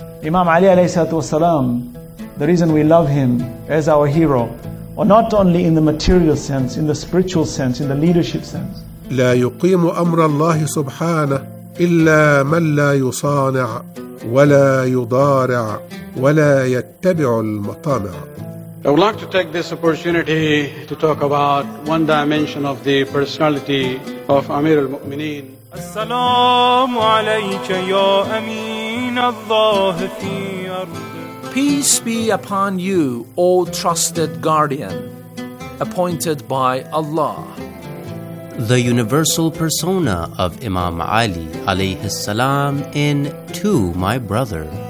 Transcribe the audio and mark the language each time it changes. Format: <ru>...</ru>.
<en>Imam Ali alayhi salatu wasalam, the reason we love him as our hero, or not only in the material sense, in the spiritual sense, in the leadership sense.</en> <ar>لا يقيم أمر الله سبحانه إلا من لا يصانع ولا يضارع ولا يتبع المطامع.</ar> <en>I would like to take this opportunity to talk about one dimension of the personality of Amir al-Mu'mineen.</en> <ar>السلام عليك يا أمين الله في أرض.</ar> <en>Peace be upon you, all trusted guardian, appointed by Allah. The universal persona of Imam Ali alayhi salam in To My Brother.</en>